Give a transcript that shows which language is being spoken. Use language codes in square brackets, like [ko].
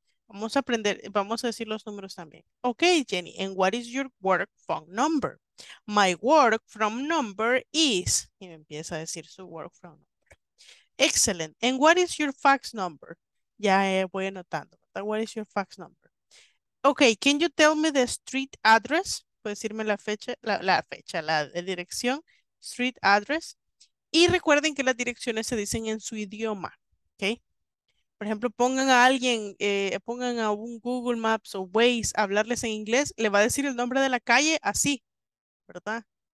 [es] Vamos a aprender, vamos a decir los números también. [en] Ok, Jenny, and what is your work phone number? My work phone number is, [es] y me empieza a decir su [en] work phone number. Excellent, and what is your fax number? [es] Ya voy anotando, [en] what is your fax number? Ok, can you tell me the street address? [es] ¿Puedes decirme la fecha, la dirección, street address? Y recuerden que las direcciones se dicen en su idioma, ¿ok? Por ejemplo, pongan a alguien, pongan a un Google Maps o Waze a hablarles en inglés, le va a decir el nombre de la calle así, ¿verdad?